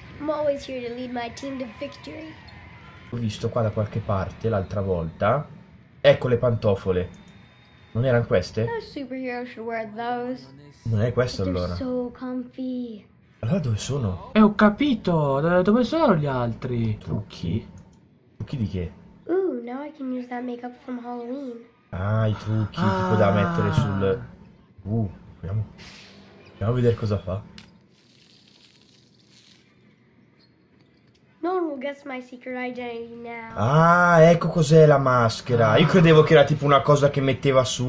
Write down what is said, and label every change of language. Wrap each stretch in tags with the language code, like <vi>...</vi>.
<en>I'm always here to lead my team to victory.</en> <it>Ho visto qua da qualche parte l'altra volta. Ecco le pantofole. Non erano queste?</it> <en>No superhero should wear those.</en> <it>Non è questo allora.</it> <en>So comfy.</en> <it>Allora dove sono? Ho capito! Dove sono gli altri? Trucchi? Trucchi di che?</it> <en>Now I can use that makeup from Halloween.</en> <it>Ah, i trucchi, tipo da mettere sul. Vediamo. Andiamo a vedere cosa fa.</it> <en>No one will guess my secret identity now.</en> <it>Ah, ecco cos'è la maschera. Io credevo che era tipo una cosa che metteva su.</it>